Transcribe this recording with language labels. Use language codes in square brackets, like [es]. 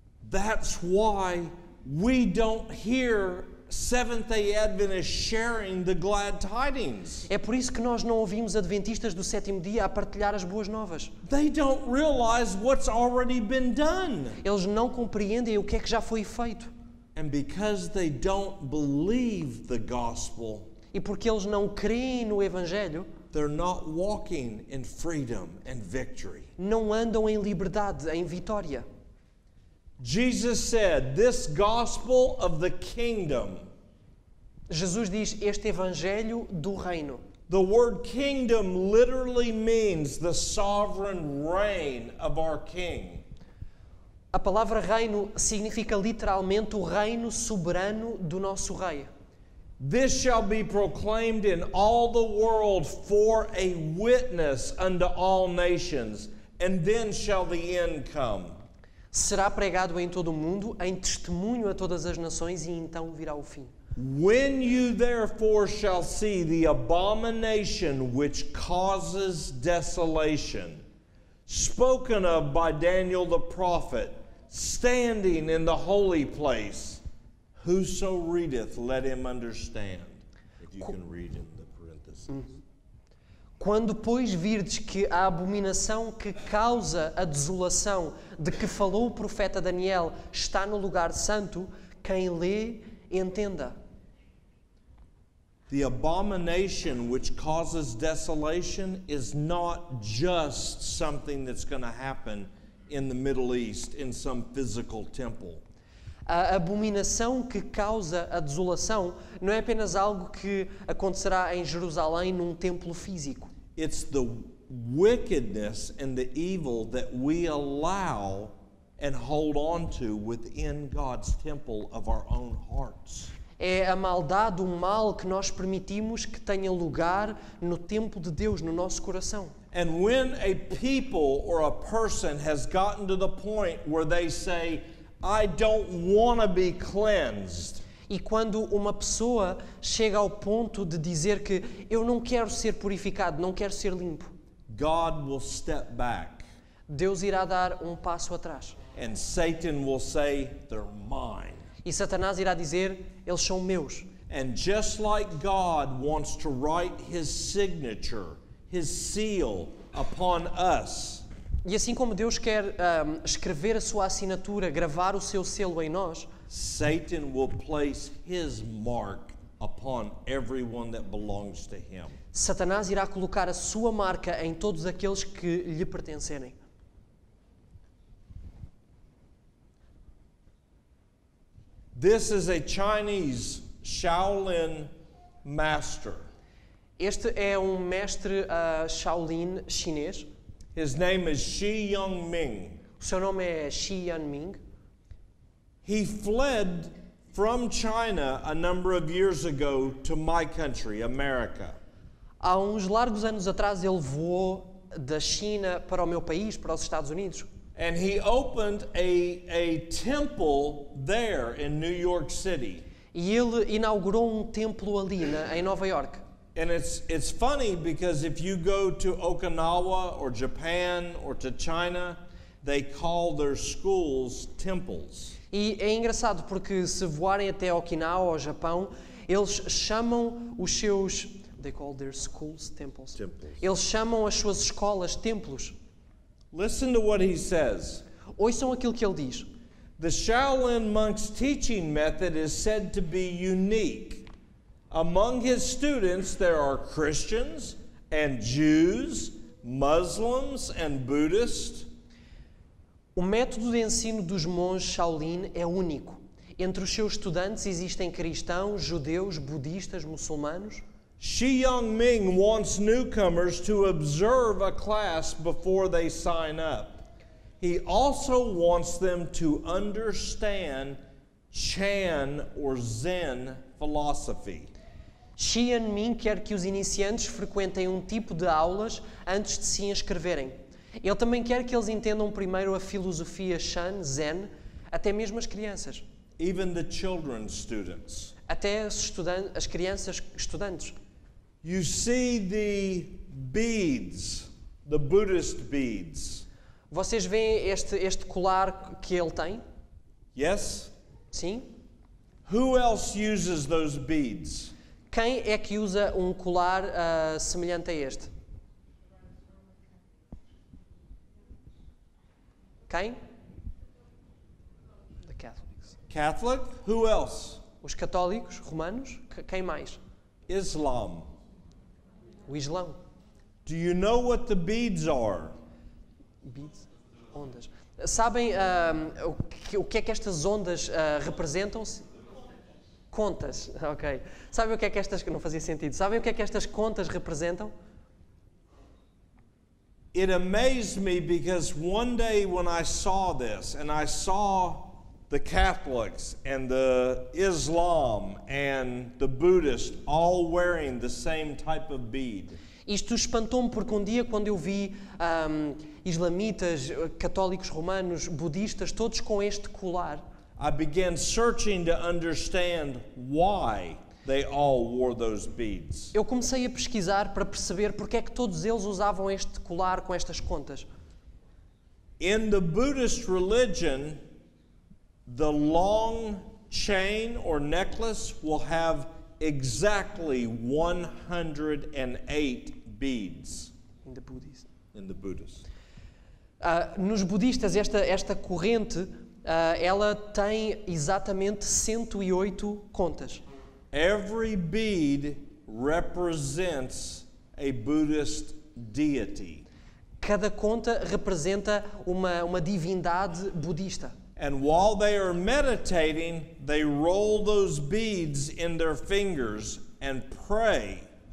[en] That's why we don't hear Seventh-day Adventists sharing the glad tidings. [pt] É por isso que nós não ouvimos adventistas do sétimo dia a partilhar as boas novas. [en] They don't realize what's already been done. [pt] Eles não compreendem o que é que já foi feito. [en] And because they don't believe the gospel. [pt] E porque eles não creem no evangelho, [en] they're not walking in freedom and victory. [pt] Não andam em liberdade, em vitória. [en] Jesus said, "This gospel of the kingdom." [pt] Jesus diz este evangelho do reino. [en] The word kingdom literally means the sovereign reign of our king. [pt] A palavra reino significa literalmente o reino soberano do nosso rei. [en] This shall be proclaimed in all the world for a witness unto all nations, and then shall the end come. [pt] Será pregado em todo o mundo, em testemunho a todas as nações, e então virá o fim. [en] When you therefore shall see the abomination which causes desolation, spoken of by Daniel the prophet, standing in the holy place, whoso readeth, let him understand. If you can read in the parentheses. Mm-hmm. [pt] Quando, pois, virdes que a abominação que causa a desolação de que falou o profeta Daniel está no lugar santo, quem lê, entenda. [en] The abomination which causes desolation is not just something that's going to happen in the Middle East, in some physical temple. [pt] A abominação que causa a desolação não é apenas algo que acontecerá em Jerusalém num templo físico. [en] It's the wickedness and the evil that we allow and hold on to within God's temple of our own hearts. [pt] É a maldade, o mal que nós permitimos que tenha lugar no templo de Deus, no nosso coração. [en] And when a people or a person has gotten to the point where they say, I don't want to be cleansed. [pt] E quando uma pessoa chega ao ponto de dizer que eu não quero ser purificado, não quero ser limpo, [en] God will step back. [pt] Deus irá dar um passo atrás. [en] And Satan will say, they're mine. [pt] E Satanás irá dizer, eles são meus. [en] And just like God wants to write his signature, his seal upon us. [pt] E assim como Deus quer escrever a sua assinatura, gravar o seu selo em nós, [en] Satan will place his mark upon everyone that belongs to him. [pt] Satanás irá colocar a sua marca em todos aqueles que lhe pertencerem. [en] This is a Chinese Shaolin master. [pt] Este é um mestre Shaolin chinês. [en] His name is Xi Yongming. [pt] O seu nome é Xi Yongming. [en] He fled from China a number of years ago to my country, America. [pt] Há uns largos anos atrás ele voou da China para o meu país, para os Estados Unidos. [en] And he opened a temple there in New York City. [pt] E ele inaugurou um templo ali em Nova York. [en] And it's funny because if you go to Okinawa or Japan or to China, they call their schools temples. [pt] E é engraçado porque se voarem até Okinawa ou Japão, eles chamam os seus [en] they call their schools temples. Temples. [pt] Eles chamam as suas escolas templos. [en] Listen to what he says. [pt] Ouçam aquilo que ele diz. [en] The Shaolin monk's teaching method is said to be unique. Among his students there are Christians and Jews, Muslims and Buddhists. [pt] O método de ensino dos monges Shaolin é único. Entre os seus estudantes existem cristãos, judeus, budistas, muçulmanos. [en] Xi Yongming wants newcomers to observe a class before they sign up. He also wants them to understand Chan or Zen philosophy. [pt] Xi Yongming quer que os iniciantes frequentem um tipo de aulas antes de se inscreverem. Ele também quer que eles entendam primeiro a filosofia Chan, Zen, até mesmo as crianças. [en] Even the children students. [pt] Até as crianças estudantes. [en] You see the beads, the Buddhist beads. [pt] Vocês veem este colar que ele tem? [en] Yes. [pt] Sim. [en] Who else uses those beads? [pt] Quem é que usa um colar semelhante a este? Quem? [en] The Catholics. Catholic? Who else? [pt] Os católicos romanos? Quem mais? [en] Islam. [pt] O Islão. [en] Do you know what the beads are? [pt] Beads? Ondas. Sabem o que é que estas ondas representam-se? Contas. Ok. Sabem o que é que estas... Não fazia sentido. Sabem o que é que estas contas representam? [en] It amazed me because one day when I saw this and I saw the Catholics and the Islam and the Buddhist all wearing the same type of bead. [pt] Isto espantou-me porque um dia quando eu vi islamitas, católicos romanos, budistas, todos com este colar. [en] I began searching to understand why they all wore those beads. [pt] Eu comecei a pesquisar para perceber porque é que todos eles usavam este colar com estas contas. [en] In the Buddhist religion, the long chain or necklace will have exactly 108 beads. In the Buddhist. [pt] Nos budistas esta corrente, ela tem exatamente 108 contas. [en] Every bead represents a Buddhist deity. [pt] Cada conta representa uma divindade budista. [en] And while they are meditating, they roll those beads in their fingers and pray.